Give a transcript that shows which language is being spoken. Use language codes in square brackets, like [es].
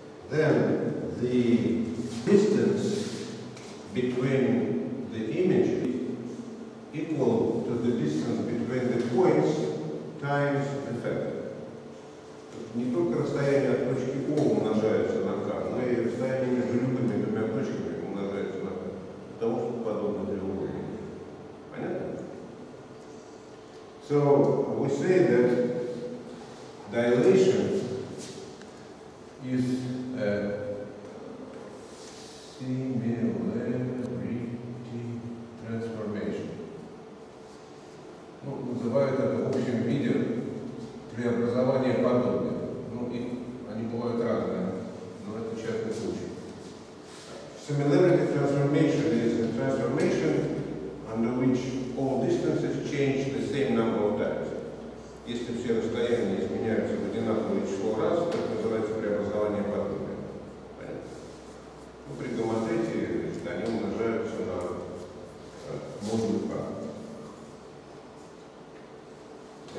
[en] Then the distance between the images equal to the distance between the points times the factor. [ru] Не только расстояние от точки O умножается на K, но и расстояние между любыми двумя точками. Того, что подобно треугольнику. Понятно? [en] So, we say that dilation is a similarity transformation. [ru] Ну, называют это в общем виде преобразование подобных. Ну, их, они бывают разные, но это частный случай. [en] Similarity transformation is a transformation under which all distances change the same number of times. [ru] Если все расстояния изменяются в одинаковое число раз, то это называется преобразование подобия. Ну, при гомотете они умножаются на модуль k.